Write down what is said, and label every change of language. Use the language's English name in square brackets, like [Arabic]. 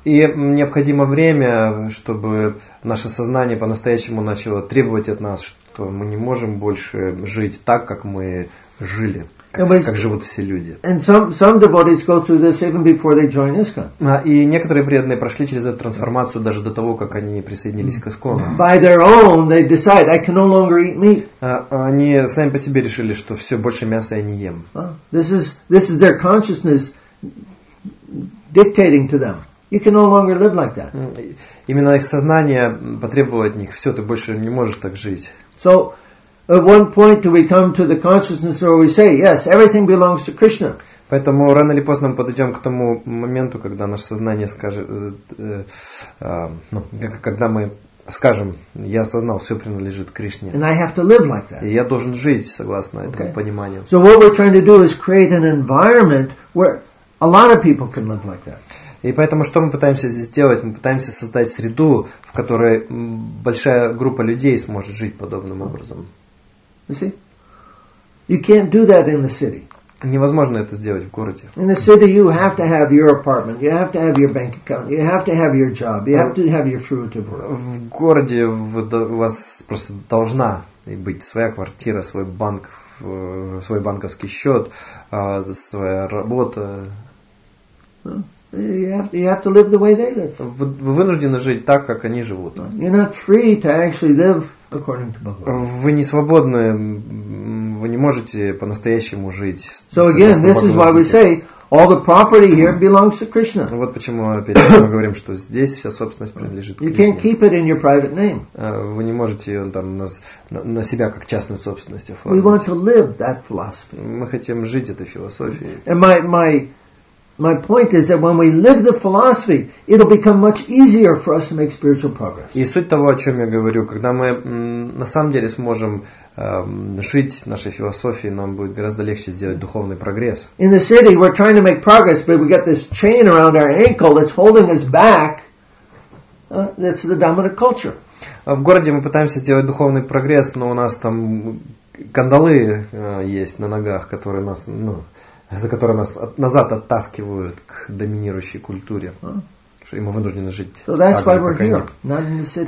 [Russian] И необходимо время, чтобы наше сознание по-настоящему начало требовать от нас, что мы не можем больше жить так, как мы жили, как живут все люди. [English] And some devotees go through this even before they join ISKCON. [Russian] И некоторые преданные прошли через эту трансформацию даже до того, как они присоединились к ISKCON. [English] By their own, they decide, I can no longer eat meat. [Russian] Они сами по себе решили, что все, больше мяса я не ем. [English] This is their consciousness dictating to them. You can no longer live like that. [Russian] Именно их сознание потребовало от них, все, ты больше не можешь так жить. [English] So, at one point do we come to the consciousness where we say, yes, everything belongs to Krishna. [Russian] Поэтому рано или поздно мы подойдем к тому моменту, когда наше сознание скажет, когда мы скажем, я осознал, все принадлежит Кришне. [English] And I have to live like that. [Russian] И я должен жить согласно этому пониманию. [English] So what we're trying to do is create an environment where a lot of people can live like that. [Russian] И поэтому, что мы пытаемся здесь сделать? Мы пытаемся создать среду, в которой большая группа людей сможет жить подобным образом. [English] You see? You can't do that in the city. [Russian] Невозможно это сделать в городе. [English] In the city you have to have your apartment, you have to have your bank account, you have to have your job, you have to have your fruit. [Russian] В городе у вас просто должна быть своя квартира, свой банк, свой банковский счет, своя работа. [English] You have to live the way they live. [Russian] Вы вынуждены жить так, как они живут. [English] You're not free to actually live according to Bhagavad. [Russian] Вы не свободны, вы не можете по-настоящему жить. [English] So again, this is why we say all the property here belongs to Krishna. [Russian] Вот почему опять мы говорим, что здесь вся собственность принадлежит Кришне. [English] You can't keep it in your private name. [Russian] Вы не можете ее там на себя как частную собственность оформить. [English] We want to live that philosophy. [Russian] Мы хотим жить этой философией. [English] And my point is that when we live the philosophy, it'll become much easier for us to make spiritual progress. [Russian] И суть того, о чем я говорю, когда мы на самом деле сможем жить нашей философией, нам будет гораздо легче сделать духовный прогресс. [English] In the city, we're trying to make progress, but we got this chain around our ankle that's holding us back. That's the dominant culture. [Russian] В городе мы пытаемся сделать духовный прогресс, но у нас там кандалы есть на ногах, которые нас, ну, за которые нас назад оттаскивают к доминирующей культуре. И мы вынуждены жить [English] so [Russian] так же, как [English] here, [Russian] они.